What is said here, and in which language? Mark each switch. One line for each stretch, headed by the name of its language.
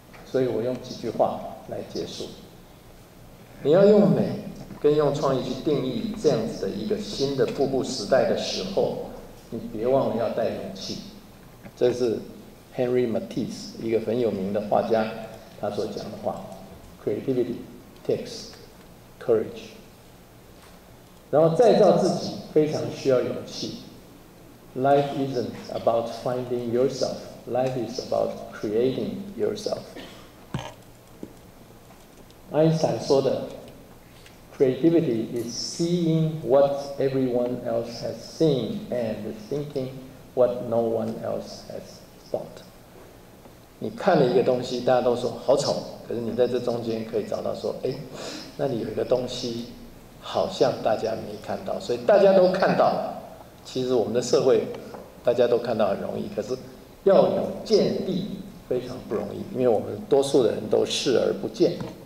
Chinese: 所以我用几句话来结束，你要用美跟用创意去定义这样子的一个新的瀑布时代的时候，你别忘了要带勇气。这是 Henry Matisse 一个很有名的画家他所讲的话，
English: Creativity takes courage。
Chinese: 然后再造自己非常需要勇气。
English: Life isn't about finding yourself, Life is about creating yourself。
Chinese: 爱因斯坦说的
English: Creativity is seeing what everyone else has seen and thinking what no one else has thought。
Chinese: 你看了一个东西大家都说好丑，可是你在这中间可以找到说，哎，那里有一个东西好像大家没看到，所以大家都看到了。其实我们的社会大家都看到很容易，可是要有见地非常不容易，因为我们多数的人都视而不见。